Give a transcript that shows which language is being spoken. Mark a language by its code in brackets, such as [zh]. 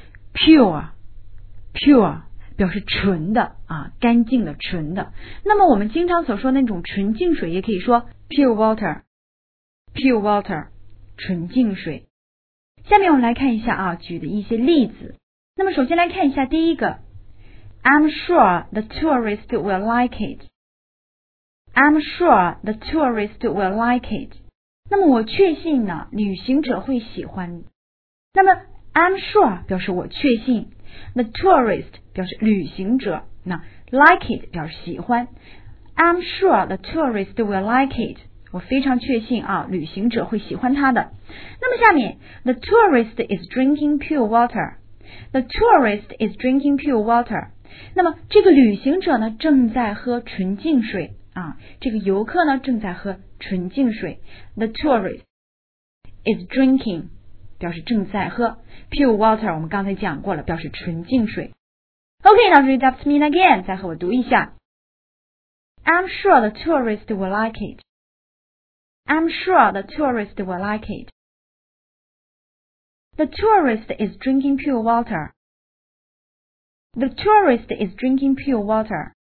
[en] Pure, pure [zh] 表示纯的啊，干净的，纯的。那么我们经常所说那种纯净水，也可以说 [en] pure water, pure water, [zh] 纯净水。下面我们来看一下啊，举的一些例子。那么首先来看一下第一个， [en] I'm sure the tourist will like it. I'm sure the tourist will like it. [zh] 那么我确信呢，旅行者会喜欢。那么 [en] I'm sure [zh] 表示我确信， [en] the tourist [zh] 表示旅行者，那 [en] like it [zh] 表示喜欢。 [en] I'm sure the tourist will like it， [zh] 我非常确信啊，旅行者会喜欢他的。那么下面 [en] the tourist is drinking pure water， the tourist is drinking pure water， [zh] 那么这个旅行者呢正在喝纯净水啊，这个游客呢正在喝纯净水。 [en] the tourist is drinking [zh] 表示正在喝 [en] pure water， [zh] 我们刚才讲过了，表示纯净水。 [en] OK， now read that to me again， [zh] 再和我读一下。 [en] I'm sure the tourist will like it. I'm sure the tourist will like it. The tourist is drinking pure water. The tourist is drinking pure water.